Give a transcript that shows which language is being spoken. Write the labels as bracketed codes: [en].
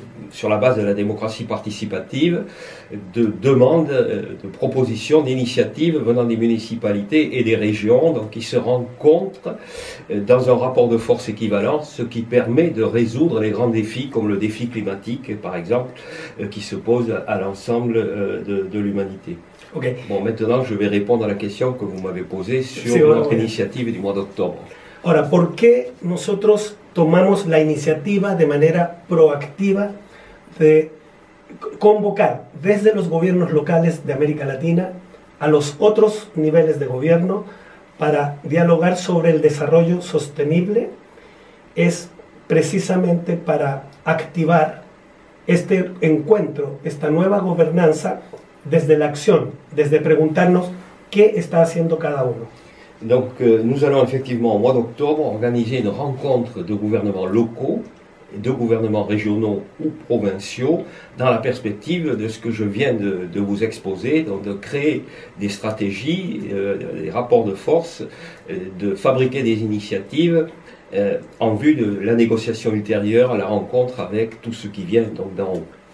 [fr] sur la base de la démocratie participative, de demandes, de propositions, d'initiatives venant des municipalités et des régions, donc qui se rencontrent dans un rapport de force équivalent, ce qui permet de résoudre les grands défis, comme le défi climatique, par exemple, qui se pose à l'ensemble de l'humanité. Okay. Bon, maintenant, je vais répondre à la question que vous m'avez posée sur notre initiative du mois d'octobre. [es] Ahora, ¿por qué nosotros tomamos la iniciativa de manera proactiva de convocar desde los gobiernos locales de América Latina a los otros niveles de gobierno para dialogar sobre el desarrollo sostenible? Es precisamente para activar este encuentro, esta nueva gobernanza, desde la acción, desde preguntarnos qué está haciendo cada uno. [fr] Donc nous allons effectivement au mois d'octobre organiser une rencontre de gouvernements locaux, de gouvernements régionaux ou provinciaux dans la perspective de ce que je viens de vous exposer, donc de créer des stratégies, des rapports de force, de fabriquer des initiatives en vue de la négociation ultérieure, la rencontre avec tout ce qui vient donc d'en haut.